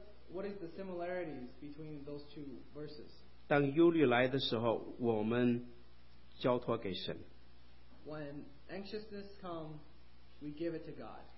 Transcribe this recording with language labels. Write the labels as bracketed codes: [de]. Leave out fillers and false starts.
[en] What is the similarities between those two verses? [zh] 当忧虑来的时候，我们交托给神。 [en] When anxiousness comes, we give it to God.